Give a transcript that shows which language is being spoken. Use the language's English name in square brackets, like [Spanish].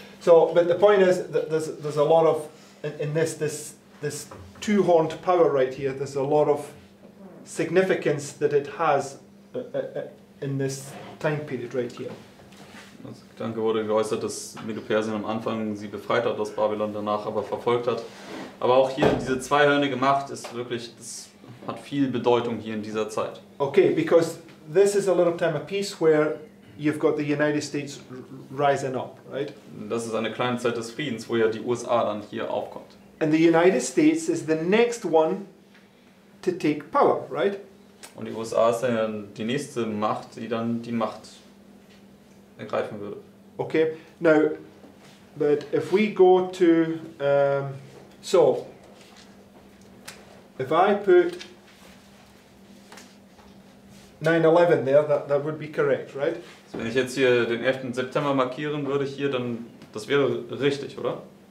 [English] So, but the point is that there's a lot of in this two-horned power right here. There's a lot of significance that it has in this time period right here. [German] Das Gedanke wurde geäußert, dass Medo-Persien am Anfang sie befreit hat aus Babylon, danach aber verfolgt hat. Aber auch hier diese zweihörnige Macht ist wirklich, das hat viel Bedeutung hier in dieser Zeit. [English] Okay, because this is a little time of peace where you've got the United States rising up, right? [German] Das ist eine kleine Zeit des Friedens, wo ja die USA dann hier aufkommt. [English] And the United States is the next one to take power, right? [German] Und die USA ist dann die nächste Macht, die dann die Macht ergreifen würde. [English] Okay, now, but if we go to, so, if I put 9/11 there, that would be correct, right? [German] So wenn ich jetzt hier den 11. September markieren würde hier, dann, das wäre richtig, oder?